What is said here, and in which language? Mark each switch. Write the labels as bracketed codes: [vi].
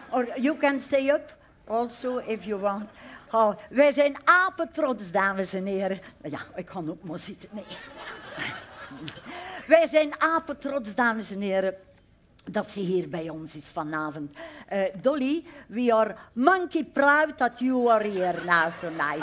[en] Or you can stay up also if you want. [nl] Oh, wij zijn apentrots, dames en heren. Ja, ik kan ook maar zitten. Nee. Wij zijn apentrots, dames en heren, dat ze hier bij ons is vanavond. [en] Dolly, we are monkey proud that you are here now tonight.